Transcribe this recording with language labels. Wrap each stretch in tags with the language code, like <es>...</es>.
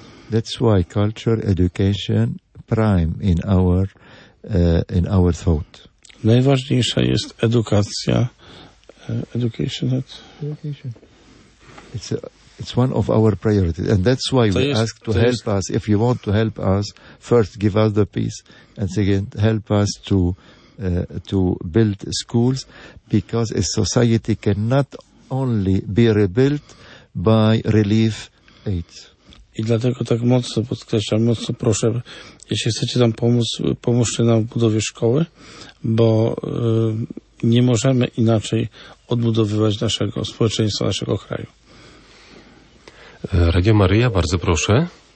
<en>That's why culture, education prime in our thought.</en> <pl>Najważniejsza jest edukacja.</pl> <en>Education. It's one of our priorities, and that's why we ask to help us. If you want to help us, first give us the peace, and second help us to build schools, because a society cannot only be rebuilt by relief aid.</en> <pl>I dlatego tak mocno podkreślam, mocno proszę, jeśli chcecie nam pomóc, pomóżcie nam w budowie szkoły, bo nie możemy inaczej odbudowywać naszego społeczeństwa, naszego kraju. Radio Maryja, bardzo proszę.</pl>